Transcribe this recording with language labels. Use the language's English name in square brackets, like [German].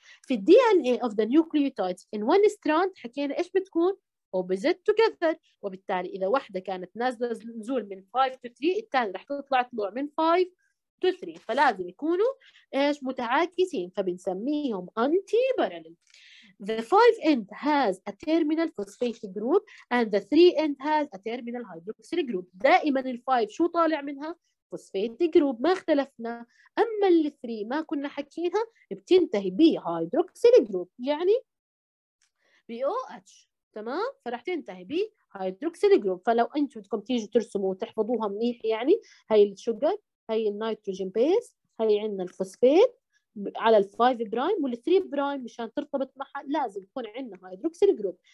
[Arabic] في الدي ان ايه اوف ذا نيوكليوتايد ان وان ستراند حكينا ايش بتكون؟ [English] opposite together. [Arabic] وبالتالي إذا واحدة كانت نازلة نزول من [English] 5 to 3 [Arabic] الثانية رح تطلع طلوع من [English] 5 to 3، [Arabic] فلازم يكونوا إيش متعاكسين، فبنسميهم anti-parallel. [English] The 5 end has a terminal phosphate group and the 3 end has a terminal hydroxyl group. [Arabic] دائما ال 5 شو طالع منها؟ phosphate group، ما اختلفنا. أما ال 3 ما كنا حكيها بتنتهي ب hydroxyl group يعني ب OH. تمام؟ فرح تنتهي بهيدروكسيل جروب. فلو انتم بدكم تيجوا ترسموا وتحفظوها منيح، يعني هاي الشوغر، هاي النيتروجين بيس، هاي عندنا الفوسفيت على الفايف برايم والثري برايم مشان ترتبط معها لازم يكون عندنا هيدروكسيل جروب.